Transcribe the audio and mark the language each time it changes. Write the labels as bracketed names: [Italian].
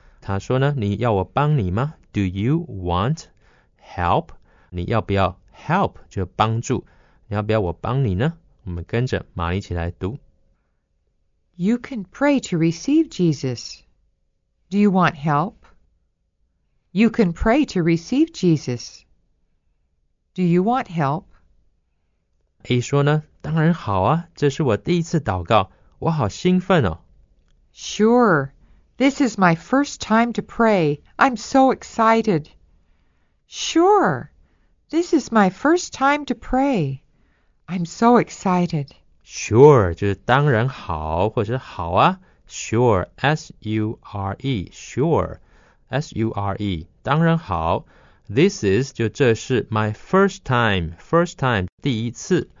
[Chinese] 他说呢，你要我帮你吗 ? [English] Do you want help? [Chinese] 你要不要 help, 就帮助。你要不要我帮你呢我们跟着玛丽一起来读。 [English] You can pray to receive Jesus. Do you want help? You can pray to receive Jesus. Do you want help? [Chinese] A 说呢，当然好啊，这是我第一次祷告，我好兴奋哦。 [English] Sure, this is my first time to pray. I'm so excited. Sure, this is my first time to pray. I'm so excited. [Chinese] Sure, 就是当然好，或者是好啊。 [English] Sure, S-U-R-E, sure, S-U-R-E, 当然好。 This is, [Chinese] 就这是 [English] my first time, [Chinese] 第一次。